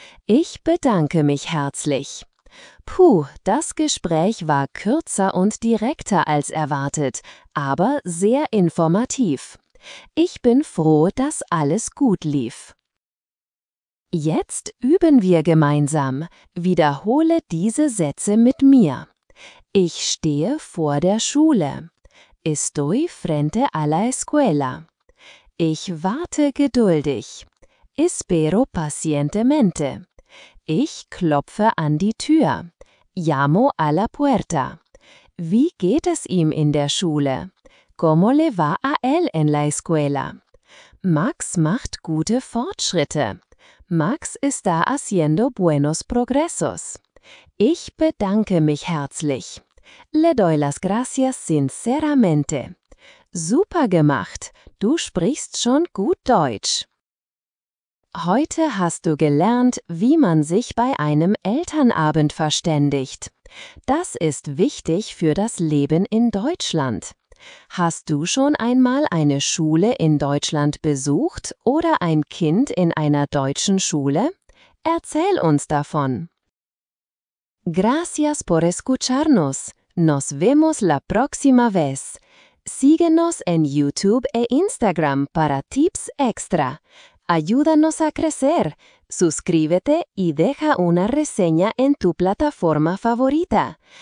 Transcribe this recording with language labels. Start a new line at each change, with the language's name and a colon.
German: Ich bedanke mich herzlich. Puh, das Gespräch war kürzer und direkter als erwartet, aber sehr informativ. Ich bin froh, dass alles gut lief. Jetzt üben wir gemeinsam. Wiederhole diese Sätze mit mir. Ich stehe vor der Schule.
Spanish: Estoy frente a la escuela.
German: Ich warte geduldig.
Spanish: Espero pacientemente.
German: Ich klopfe an die Tür.
Spanish: Llamo a la puerta.
German: Wie geht es ihm in der Schule?
Spanish: ¿Cómo le va a él en la escuela?
German: Max macht gute Fortschritte.
Spanish: Max está haciendo buenos progresos.
German: Ich bedanke mich herzlich.
Spanish: Le doy las gracias sinceramente.
German: Super gemacht. Du sprichst schon gut Deutsch. Heute hast du gelernt, wie man sich bei einem Elternabend verständigt. Das ist wichtig für das Leben in Deutschland. Hast du schon einmal eine Schule in Deutschland besucht oder ein Kind in einer deutschen Schule? Erzähl uns davon.
Spanish: Gracias por escucharnos. Nos vemos la próxima vez. Síguenos en YouTube e Instagram para tips extra. Ayúdanos a crecer. Suscríbete y deja una reseña en tu plataforma favorita.